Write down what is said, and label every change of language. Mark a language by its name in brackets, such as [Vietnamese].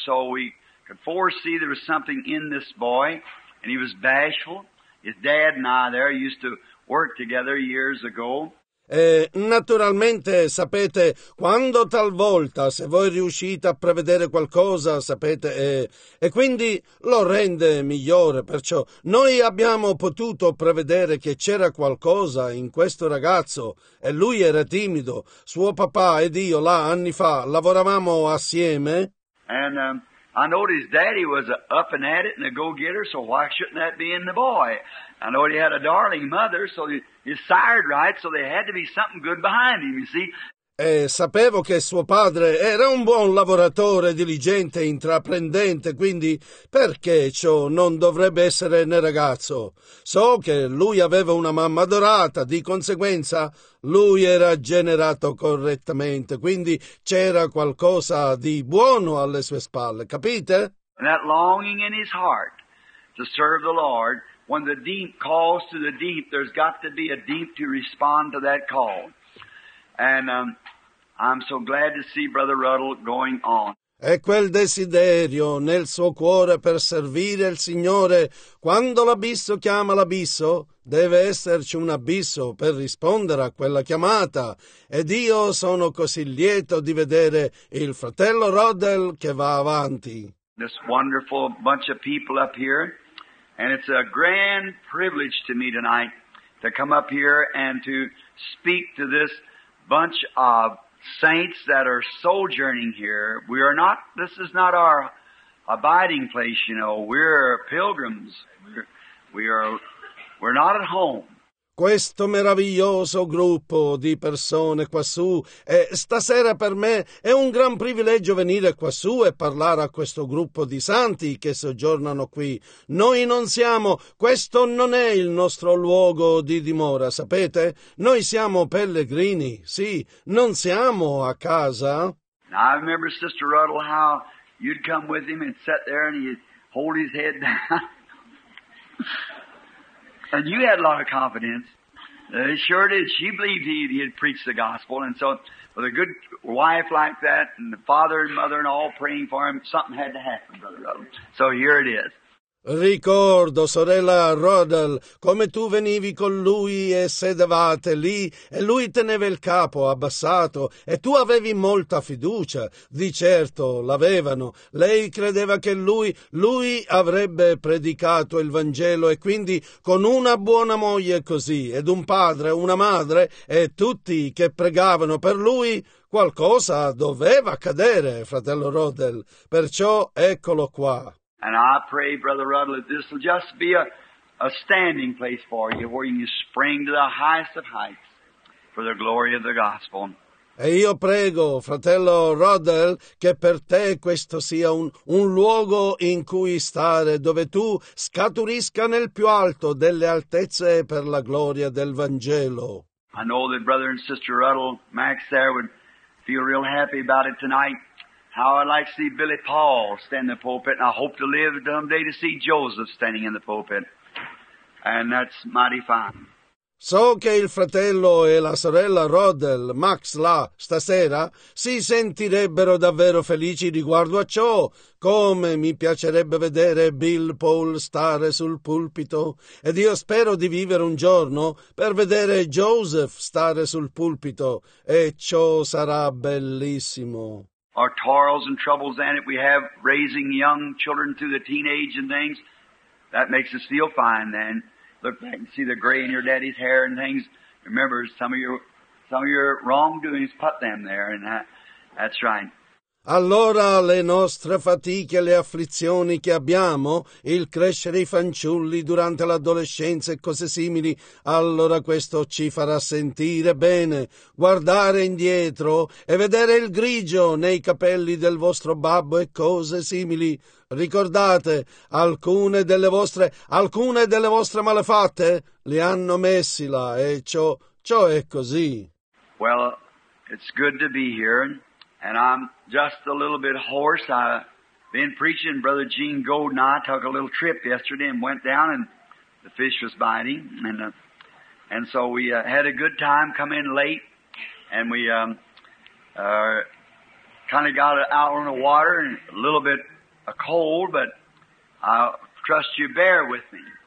[English] So we could foresee there was something in this boy, and he was bashful. His dad and I there used to work together years ago. [Italian] Naturalmente, sapete, quando talvolta, se voi riuscite a prevedere qualcosa, sapete, e quindi lo rende migliore. Perciò noi abbiamo potuto prevedere che c'era qualcosa in questo ragazzo e lui era timido. Suo papà ed io, là, anni fa, lavoravamo assieme. [English] And I know his daddy was up and at it and a go-getter, so why shouldn't that be in the boy? I know he had a darling mother, so he's sired right, so there had to be something good behind him, you see. [Italian] E sapevo che suo padre era un buon lavoratore, diligente, intraprendente, quindi perché ciò non dovrebbe essere nel ragazzo? So che lui aveva una mamma adorata, di conseguenza lui era generato correttamente, quindi c'era qualcosa di buono alle sue spalle, capite? [English] And that longing in his heart to serve the Lord, when the deep calls to the deep, there's got to be a deep to respond to that call. And I'm so glad to see Brother Ruddle going on. [Italian] E quel desiderio nel suo cuore per servire il Signore, quando l'abisso chiama l'abisso, deve esserci un abisso per rispondere a quella chiamata. Ed io sono così lieto di vedere il fratello Ruddle che va avanti. [English] This wonderful bunch of people up here, and it's a grand privilege to me tonight to come up here and to speak to this bunch of saints that are sojourning here. We are not, this is not our abiding place, you know. We're pilgrims. We're not at home. [Italian] Questo meraviglioso gruppo di persone quassù, stasera per me è un gran privilegio venire quassù e parlare a questo gruppo di santi che soggiornano qui. Noi non siamo, questo non è il nostro luogo di dimora, sapete? Noi siamo pellegrini, sì, non siamo a casa. [English] Now, I remember Sister Ruddle how you'd come with him and sit there and he'd hold his head down. And you had a lot of confidence. Sure did. She believed he had preached the gospel. And so with a good wife like that and the father and mother and all praying for him, something had to happen, Brother Ruddle. So here it is. [Italian] Ricordo, sorella Ruddle, come tu venivi con lui e sedevate lì e lui teneva il capo abbassato e tu avevi molta fiducia. Di certo l'avevano. Lei credeva che lui avrebbe predicato il Vangelo e quindi con una buona moglie così ed un padre, una madre e tutti che pregavano per lui, qualcosa doveva accadere, fratello Ruddle. Perciò eccolo qua. [English] And I pray, Brother Ruddle, that this will just be a standing place for you, where you spring to the highest of heights for the glory of the gospel. [Italian] E io prego, fratello Ruddle, che per te questo sia un luogo in cui stare, dove tu scaturisca nel più alto delle altezze per la gloria del Vangelo. [English] I know that Brother and Sister Ruddle, Max there, would feel real happy about it tonight. How I'd like to see Billy Paul stand in the pulpit, and I hope to live someday to see Joseph standing in the pulpit. And that's mighty fine. [Italian] So che il fratello e la sorella Rodel, Max, là, stasera, si sentirebbero davvero felici riguardo a ciò. Come mi piacerebbe vedere Bill Paul stare sul pulpito. Ed io spero di vivere un giorno per vedere Joseph stare sul pulpito. E ciò sarà bellissimo. [English] Our toils and troubles and if we have raising young children through the teenage and things, that makes us feel fine then. Look back and see the gray in your daddy's hair and things. Remember, some of your wrongdoings put them there, and that's right. [Italian] Allora le nostre fatiche e le afflizioni che abbiamo, il crescere i fanciulli durante l'adolescenza e cose simili, allora questo ci farà sentire bene. Guardare indietro e vedere il grigio nei capelli del vostro babbo e cose simili. Ricordate, alcune delle vostre malefatte le hanno messi là e ciò è così. [English] Well, it's good to be here. And I'm just a little bit hoarse. I've been preaching. Brother Gene Gold and I took a little trip yesterday and went down, and the fish was biting. And so we had a good time, come in late, and we kind of got out on the water and a little bit cold, but I trust you bear with me.